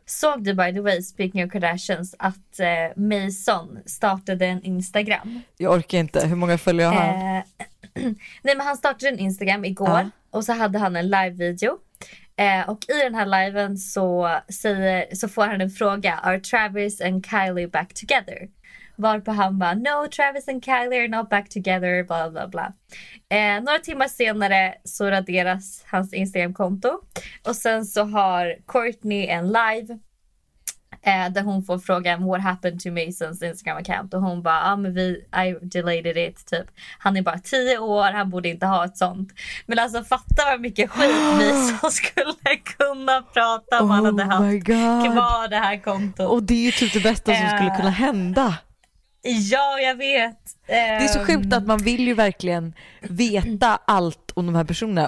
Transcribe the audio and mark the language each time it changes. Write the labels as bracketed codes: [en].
[sv] Såg du, [en] by the way, [sv] speaking of Kardashians, att Mason startade en Instagram? Jag orkar inte. Hur många följer han? Nej, men han startade en Instagram igår. Ah. Och så hade han en live-video. Och i den här liven så får han en fråga. [en] Are Travis and Kylie back together? [sv] Varpå han bara, [en] no, Travis and Kylie are not back together, bla bla bla. [sv] Några timmar senare så raderas hans Instagram-konto. Och sen så har Courtney en live där hon får frågan, [en] what happened to Masons Instagram-account? [sv] Och hon bara, ah, men [en] I deleted it, [sv] typ. Han är bara 10 år, han borde inte ha ett sånt. Men alltså, fatta vad mycket skit vi som skulle kunna prata om han hade haft kvar det här kontot. Och det är ju typ det bästa som skulle kunna hända. Ja, jag vet. Det är så sjukt att man vill ju verkligen veta allt om de här personerna.